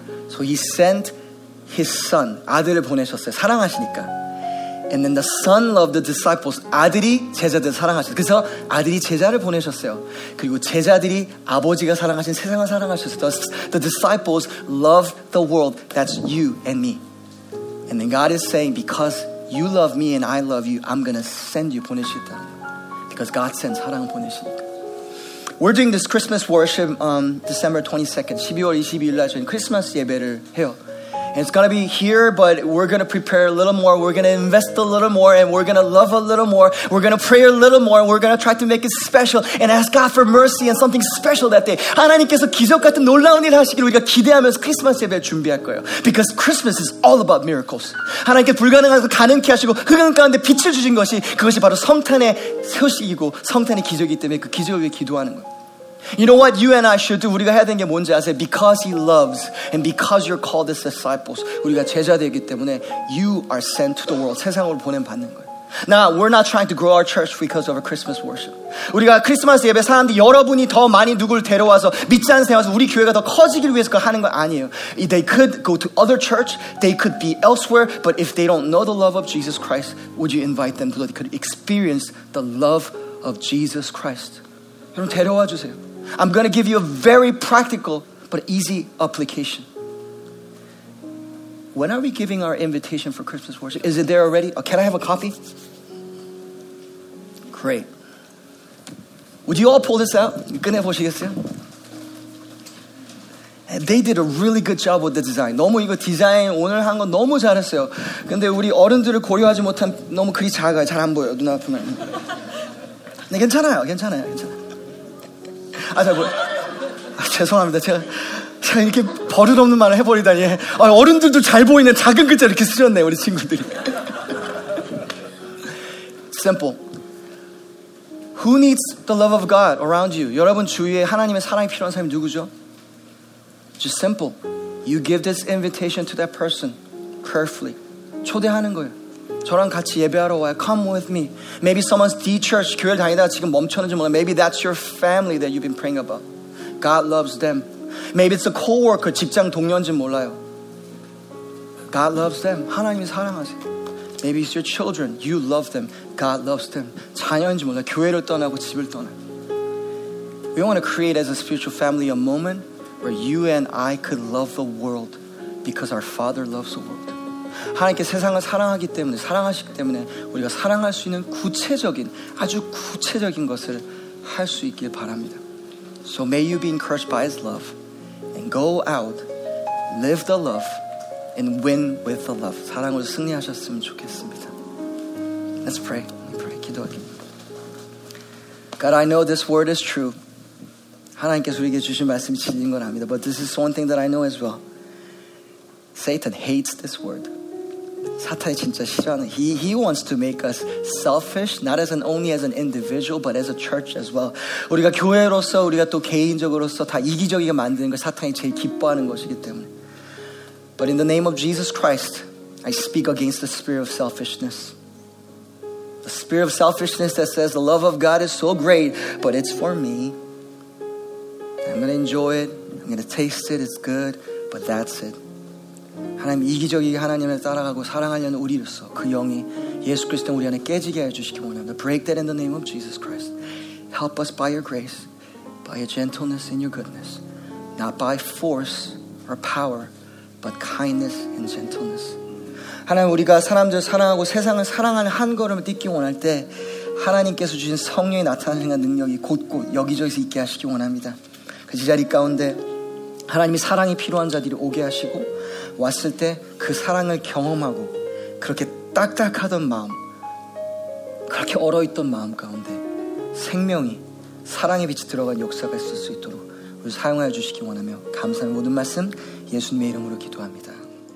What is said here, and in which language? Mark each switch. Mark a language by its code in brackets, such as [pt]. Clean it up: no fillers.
[en] So he sent his son. [ko] 아들을 보내셨어요. 사랑하시니까. [en] And then the son loved the disciples. [ko] 아들이 제자들 사랑하셨어요. 그래서 아들이 제자를 보내셨어요. 그리고 제자들이 아버지가 사랑하신 세상을 사랑하셨어요. [en] The disciples loved the world. That's you and me. And then God is saying, because you love me and I love you, I'm going to send you. [ko] 보내시겠다. [en] Because God sends. [ko] 사랑을 보내시니까. [en] We're doing this Christmas worship December 22nd. [ko] 12월 22일 날 저희 크리스마스 예배를 해요. [en] And it's going to be here, but we're going to prepare a little more. We're going to invest a little more, and we're going to love a little more. We're going to pray a little more, and we're going to try to make it special and ask God for mercy and something special that day. [ko] 하나님께서 기적 같은 놀라운 일 하시기를 우리가 기대하면서 크리스마스 예배를 준비할 거예요. [en] Because Christmas is all about miracles. [ko] 하나님께 불가능한 것을 가능케 하시고 흑암 가운데 빛을 주신 것이 그것이 바로 성탄의 소식이고 성탄의 기적이기 때문에 그 기적을 위해 기도하는 거예요. [en] You know what you and I should do? [ko] 우리가 해야 되는 게 뭔지 아세요? [en] Because he loves and because you're called as disciples, [ko] 우리가 제자들이기 때문에 [en] you are sent to the world, [ko] 세상으로 보내받는 거예요. [en] Now, we're not trying to grow our church because of our Christmas worship. [ko] 우리가 크리스마스 예배 사람들이 여러분이 더 많이 누구를 데려와서 믿지 않는 세상에서 우리 교회가 더 커지기 위해서 그걸 하는 건 아니에요. [en] They could go to other church, they could be elsewhere, but if they don't know the love of Jesus Christ, would you invite them so they could experience the love of Jesus Christ? [ko] 여러분 데려와 주세요. [en] I'm going to give you a very practical but easy application. When are we giving our invitation for Christmas worship? Is it there already? Oh, can I have a copy? Great. Would you all pull this out? [ko] 꺼내 보시겠어요? [en] They did a really good job with the design. [ko] 너무 이거 디자인 오늘 한 거 너무 잘했어요. 근데 우리 어른들을 고려하지 못한 너무 글이 작아요. 잘 안 보여요. 눈앞에만. 네, 괜찮아요. 괜찮아요. 괜찮아요. 아, 뭐, 아 죄송합니다. 제가 이렇게 버릇없는 말을 해버리다니. 아, 어른들도 잘 보이네. 작은 글자 이렇게 쓰셨네. 우리 친구들이. [en] Simple. Who needs the love of God around you? [ko] 여러분 주위에 하나님의 사랑이 필요한 사람이 누구죠? [en] Just simple. You give this invitation to that person carefully. [ko] 초대하는 거예요. 저랑 같이 예배하러 와요. [en] Come with me. Maybe someone's de-church. [ko] 교회를 다니다가 지금 멈췄는지 몰라요. [en] Maybe that's your family that you've been praying about. God loves them. Maybe it's a co-worker, [ko] 직장 동료인지 몰라요. [en] God loves them. [ko] 하나님이 사랑하세요. [en] Maybe it's your children. You love them. God loves them. [ko] 자녀인지 몰라요. 교회를 떠나고 집을 떠나요. [en] We want to create as a spiritual family a moment where you and I could love the world because our Father loves the world. [ko] 하나님께 세상을 사랑하기 때문에 사랑하시기 때문에 우리가 사랑할 수 있는 구체적인 아주 구체적인 것을 할 수 있길 바랍니다. [en] So may you be encouraged by His love and go out, live the love and win with the love. [ko] 사랑으로 승리하셨으면 좋겠습니다. [en] Let's pray. Let's pray. [ko] 기도하겠습니다. [en] God, I know this word is true. [ko] 하나님께서 우리에게 주신 말씀이 진리인 건 압니다. [en] But this is one thing that I know as well. Satan hates this word. [ko] 사탄이 진짜 싫어하는 [en] he wants to make us selfish not as an only as an individual but as a church as well. [ko] 우리가 교회로서 우리가 또 개인적으로서 다 이기적이게 만드는 걸 사탄이 제일 기뻐하는 것이기 때문에. [en] But in the name of Jesus Christ, I speak against the spirit of selfishness. The spirit of selfishness that says the love of God is so great, but it's for me. I'm going to enjoy it. I'm going to taste it. It's good, but that's it. [ko] 하나님 이기적이게 하나님을 따라가고 사랑하려는 우리로서 그 영이 예수 그리스도 우리 안에 깨지게 해주시기 원합니다. [en] Break that in the name of Jesus Christ. Help us by your grace, by your gentleness and your goodness. Not by force or power, but kindness and gentleness. [ko] 하나님 우리가 사람들 사랑하고 세상을 사랑하는 한 걸음을 딛기 원할 때 하나님께서 주신 성령이 나타나는 능력이 곧곧 여기저기서 있게 하시기 원합니다. 그 자리 가운데 하나님이 사랑이 필요한 자들이 오게 하시고 왔을 때 그 사랑을 경험하고 그렇게 딱딱하던 마음 그렇게 얼어있던 마음 가운데 생명이 사랑의 빛이 들어간 역사가 있을 수 있도록 우리 사용하여 주시기 원하며 감사한 모든 말씀 예수님의 이름으로 기도합니다.